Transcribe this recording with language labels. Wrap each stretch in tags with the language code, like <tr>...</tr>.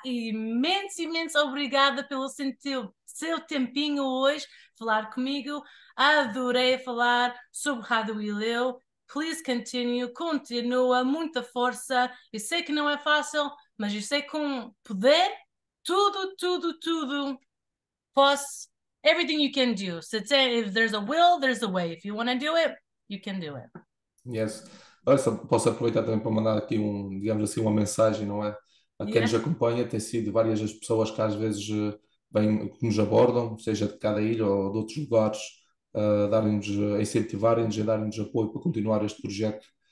<pt>E imenso, imenso obrigada pelo seu tempinho hoje, falar comigo. Adorei falar sobre Rádio Ilhéu.</pt> <en>Please continue,</en> <pt>continua, muita força. Eu sei que não é fácil, mas eu sei que com poder, tudo, tudo, tudo, posso.</pt> <en>Everything you can do. So, if there's a will, there's a way. If you want to do it, you can do it. Yes.</en> <pt>Olha, posso aproveitar também para mandar aqui digamos assim, uma mensagem, não é? A quem nos</pt> <en>Yes.</en> <pt>acompanha, tem sido várias as pessoas que às vezes vêm, que nos abordam, seja de cada ilha ou de outros lugares, a incentivarem-nos e darem-nos apoio para continuar este projeto.</pt>